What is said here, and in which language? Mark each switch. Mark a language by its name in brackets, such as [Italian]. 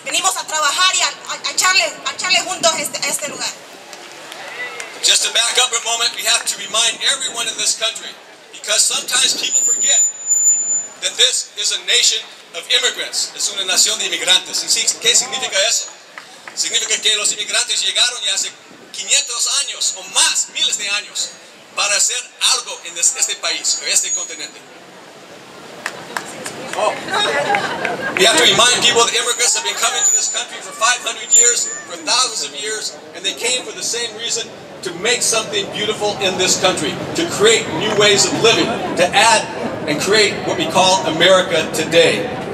[Spanish] Venimos a trabajar y a echarle juntos este lugar. [English] Just to back up a moment, we have to remind everyone in this country, because sometimes people forget that this is a nation of immigrants. [Spanish] Es una nación de inmigrantes. ¿Qué significa eso? Significa que los inmigrantes llegaron ya hace 500 años o más, miles de años, para hacer algo en este país, en este continente. [English] Oh. We have to remind people that immigrants have been coming to this country for 500 years, for thousands of years, and they came for the same reason, to make something beautiful in this country, to create new ways of living, to add and create what we call America today.